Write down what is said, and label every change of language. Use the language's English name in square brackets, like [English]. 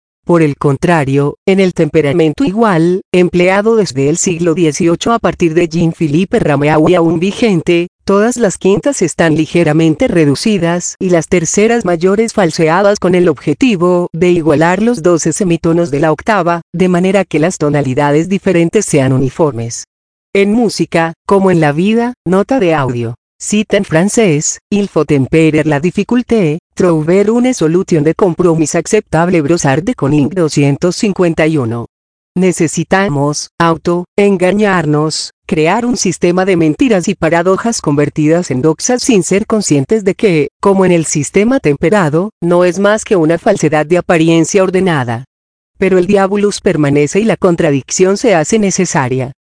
[Spanish] Por el contrario, en el temperamento igual, empleado desde el siglo XVIII a partir de Jean-Philippe Rameau y aún vigente, todas las quintas están ligeramente reducidas y las terceras mayores falseadas con el objetivo de igualar los 12 semitonos de la octava, de manera que las tonalidades diferentes sean uniformes. En música, como en la vida, nota de audio. Cita en francés, [French] il faut tempérer la difficulté, trouver une solution de compromis acceptable Brossard de Coninck 251. [Spanish] Necesitamos, engañarnos, crear un sistema de mentiras y paradojas convertidas en doxas sin ser conscientes de que, como en el sistema temperado, no es más que una falsedad de apariencia ordenada. Pero el diabolus permanece y la contradicción se hace necesaria.